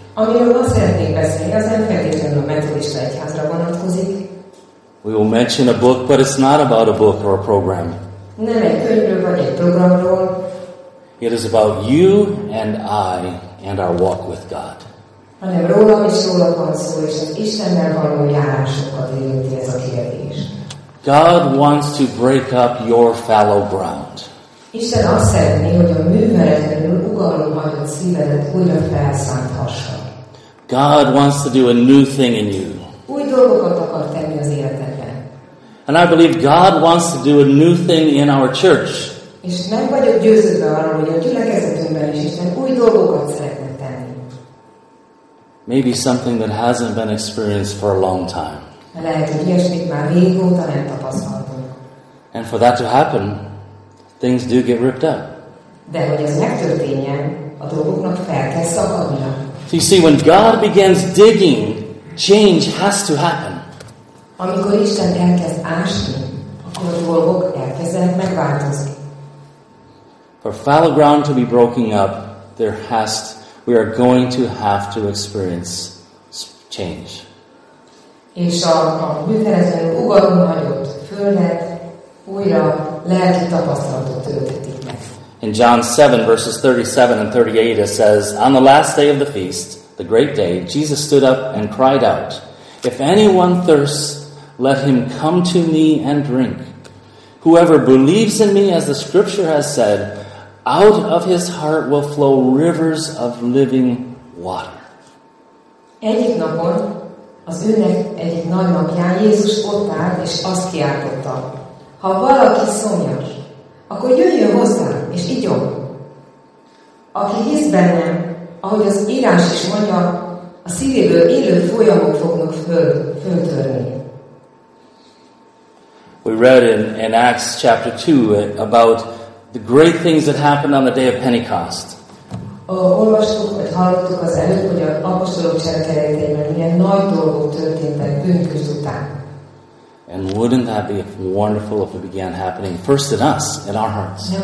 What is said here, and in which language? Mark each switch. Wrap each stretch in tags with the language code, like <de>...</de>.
<en>We will mention a book, but it's not about a book or a program. It is about you and I and our walk with God.</en> <hu>Hanem rólam is rólam van szó, és az Istennel való járásokat érinti ez a kérdés.</hu> <en>God wants to break up your fallow ground.</en> <hu>Isten azt szeretné, hogy a műveletlenül ugaló hagyott szívedet újra felszánthassa.</hu> <en>God wants to do a new thing in you.</en> <hu>Új dolgokat akar tenni az életedben.</hu> <en>And I believe God wants to do a new thing in our church.</en> <hu>És meg vagyok győződve arra, hogy a gyülekezetünkben is Isten új dolgokat szeretne.</hu> <en>Maybe something that hasn't been experienced for a long time.</en> <hu>Lehet, hogy ilyesmit már régóta nem tapasztaltunk.</hu> <en>And for that to happen, things do get ripped up.</en> <hu>De hogy ez megtörténjen, a dolgoknak fel kell szakadnia.</hu> <en>So you see, when God begins digging, change has to happen.</en> <hu>Amikor Isten elkezd ásni, akkor a dolgok elkezdenek megváltozni.</hu> <en>For fallow ground to be broken up, there has to We are going to have to experience change.</en> <hu>És a műveletlen ugalom hagyott földet újra lelki tapasztalatot töltetik meg.</hu> <en>In John 7, verses 37 and 38, it says, On the last day of the feast, the great day, Jesus stood up and cried out, If anyone thirsts, let him come to me and drink. Whoever believes in me, as the scripture has said, Out of his heart will flow rivers of living water.</en> <hu>Egyik napon, az ünnep egyik nagy napján Jézus ott állt, és azt kiáltotta. Ha valaki szomjas, akkor jöjjön hozzám, és igyon. Aki hisz bennem, ahogy az írás is mondja, a szívéből élő folyamok fognak föltörni.</hu> <en>We read in Acts chapter 2 about the great things that happened on the day of Pentecost.</en> <hu>Olvastuk, vagy hallottuk az előtt, hogy az apostolok cselekedeteiben milyen nagy dolgok történtek pünkösd után.</hu> <en>And wouldn't that be wonderful if it began happening first in us, in our hearts?</en>